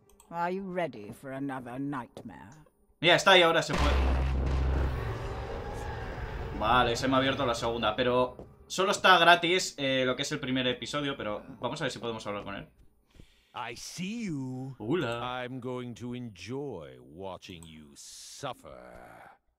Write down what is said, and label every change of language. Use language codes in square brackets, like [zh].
[en] Are you ready for another nightmare? [es] Ya está, y ahora se puede. Vale, se me ha abierto la segunda, pero solo está gratis lo que es el primer episodio, pero vamos a ver si podemos hablar con él. [en] I see you. [es] Hola. [en] I'm going to enjoy watching you suffer.